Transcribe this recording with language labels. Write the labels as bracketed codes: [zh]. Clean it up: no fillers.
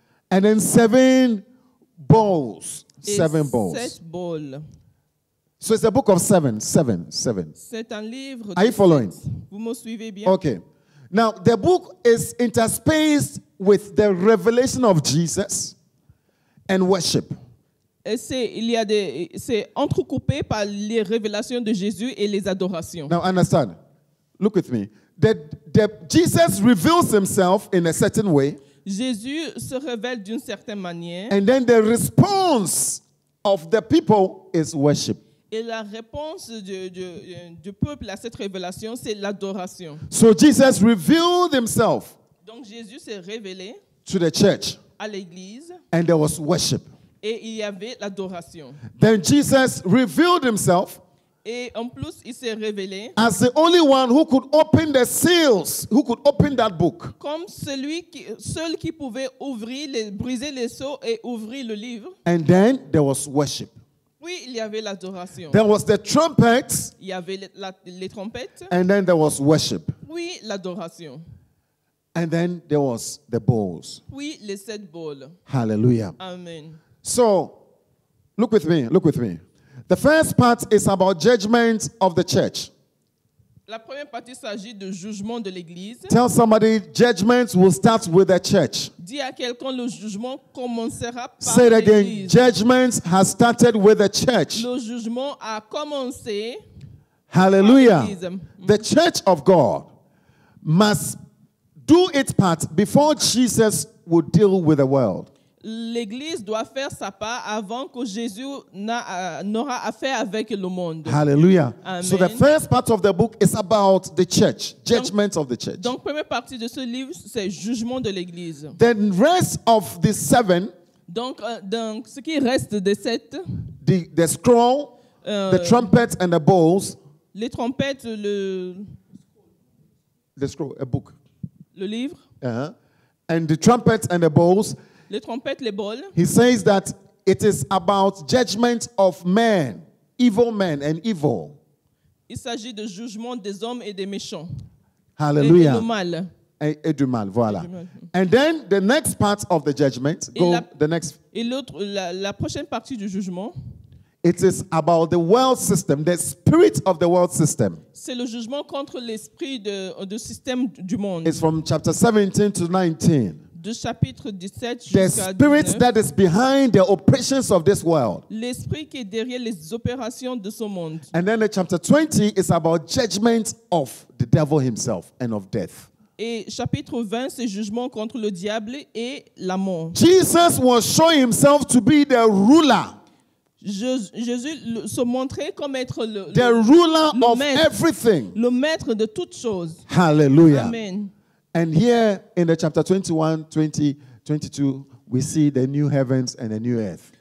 [en] And then seven bowls. Seven bowls. [fr] Sept bowls. [en] So it's a book of seven. [fr] C'est un livre. [en] Are you following? [fr] Vous me suivez bien? [en] Okay. Now the book is interspaced with the revelation of Jesus and worship. [fr] Et c'est entrecoupé par les révélations de Jésus et les adorations. [en] Now understand. Look with me. The Jesus reveals himself in a certain way. [fr] Jésus se révèle d'une certaine manière. [en] And then the response of the people is worship. [fr] Et la réponse du peuple à cette révélation, c'est l'adoration. [en] So Jesus revealed himself. [fr] Donc Jésus s'est révélé [en] to the church. [fr] À l'église. [en] And there was worship. [fr] Et il y avait l'adoration. [en] Then Jesus revealed himself. [fr] Et en plus, il s'est révélé [en] as the only one who could open the seals, who could open that book. [fr] Comme celui qui, seul qui pouvait ouvrir, briser les sceaux et ouvrir le livre. [en] And then there was worship. [fr] Puis il y avait l'adoration. [en] There was the trumpets. [fr] Il y avait les trompettes. [en] And then there was worship. [fr] Puis l'adoration. [en] And then there was the bowls. [fr] Puis les sept bowls. Hallelujah. Amen. [en] So, look with me. The first part is about judgment of the church. [fr] La première partie s'agit de jugement de l'église. [en] Tell somebody, judgment will start with the church. [fr] Dis à quelqu'un, le jugement commencera par l'église. [en] Say it again, judgment has started with the church. [fr] Le jugement a commencé. Hallelujah. [en] The church of God must do its part before Jesus would deal with the world. [fr] L'église doit faire sa part avant que Jésus n'aura affaire avec le monde. Hallelujah. Amen. [en] So the first part of the book is about the church, judgment of the church. [fr] Donc première partie de ce livre c'est jugement de l'église. [en] Then rest of the seven. [fr] Donc ce qui reste des sept. [en] The scroll, the trumpet and the bowls. [fr] Les trompettes, le. [en] The scroll, a book. [fr] Le livre. [en] Uh-huh. And the trumpet and the bowls. [fr] Les trompettes, les bols. [en] He says that it is about judgment of men, evil men and evil. [fr] Il s'agit de jugement des hommes et des méchants. Hallelujah. Et le mal. et du mal, voilà. [en] And then the next part of the judgment, go the next. [fr] Et l'autre, la prochaine partie du jugement. [en] It is about the world system, the spirit of the world system. [fr] C'est le jugement contre l'esprit de système du monde. [en] It's from chapter 17 to 19. [fr] De chapitre 17 jusqu'à 19. [en] The spirit that is behind the operations of this world. [fr] L'esprit qui est derrière les opérations de ce monde. [en] And then the chapter 20 is about judgment of the devil himself and of death. [fr] Et chapitre 20, c'est jugement contre le diable et la mort. [en] Jesus was showing himself to be the ruler. [fr] Jésus se montrait comme être le [en] the ruler of everything. [fr] Le maître de toutes choses. Hallelujah. Amen. [en] And here in the chapter 21, 20, 22, we see the new heavens and the new earth.